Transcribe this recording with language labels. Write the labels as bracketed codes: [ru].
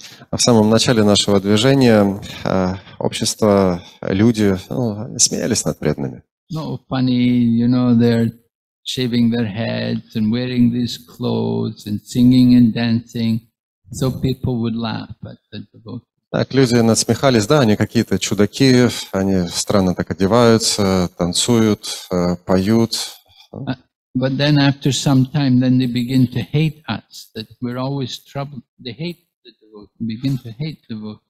[ru] А в самом начале нашего движения общество, люди, ну, смеялись над преданными. [en] No, funny, you know, they're shaving their heads and wearing these clothes and singing and dancing, so people would laugh at the devotees. [ru] Так, люди насмехались, да, они какие-то чудаки, они странно так одеваются, танцуют, поют. [en] But then after some time, then they begin to hate us, that we're always troubled. They hate the devotees, begin to hate the devotees.